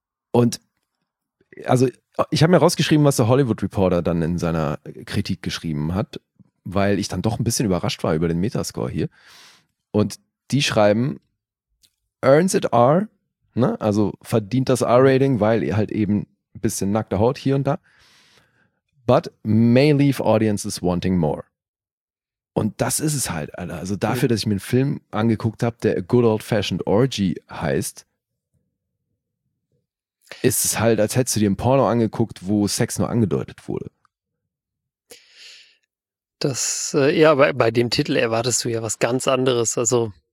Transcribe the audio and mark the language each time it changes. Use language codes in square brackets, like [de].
[de] Und also ich habe mir rausgeschrieben, was der Hollywood Reporter dann in seiner Kritik geschrieben hat, weil ich dann doch ein bisschen überrascht war über den Metascore hier. Und die schreiben, [en] earns it R, [de] ne? Also verdient das R-Rating, weil halt eben ein bisschen nackte Haut hier und da. [en] But may leave audiences wanting more. [de] Und das ist es halt, Alter. Also dafür, dass ich mir einen Film angeguckt habe, der A Good Old Fashioned Orgy heißt, ist es halt, als hättest du dir ein Porno angeguckt, wo Sex nur angedeutet wurde. Das, ja, bei dem Titel erwartest du ja was ganz anderes, also.